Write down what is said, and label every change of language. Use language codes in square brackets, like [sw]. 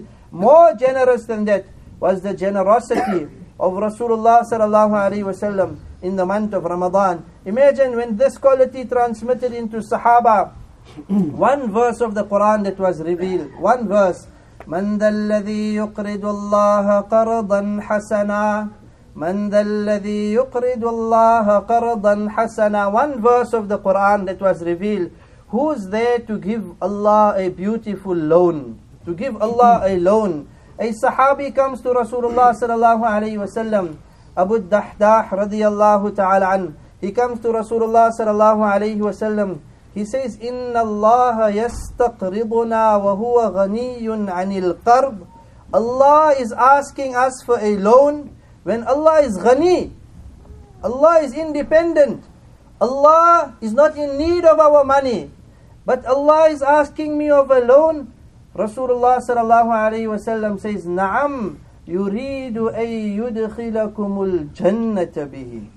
[en] More generous than that was the generosity of Rasulullah sallallahu alayhi wa sallam in the month of Ramadan. Imagine when this quality transmitted into Sahaba. One verse of the Quran that was revealed. One verse. [ar] من ذا الذي يقرض الله قرضا حسنا من ذا الذي يقرض الله قرضا حسنا. [en] One verse of the Quran that was revealed. Who's there to give Allah a beautiful loan? To give Allah a loan. A Sahabi comes to Rasulullah sallallahu alayhi wasallam, Abu Dahdah radiyallahu ta'ala an. He comes to Rasulullah sallallahu alayhi wasallam. He says, [ar] إِنَّ اللَّهَ يَسْتَقْرِضُنَا وَهُوَ غَنِيٌّ عَنِ الْقَرْضِ. [en] Allah is asking us for a loan when Allah is ghani. Allah is independent. Allah is not in need of our money. But Allah is asking me of a loan. Rasulullah sallallahu alayhi wa sallam says, [ar] نَعَمْ يُرِيدُ أَن يُدْخِلَكُمُ الْجَنَّةَ بِهِ.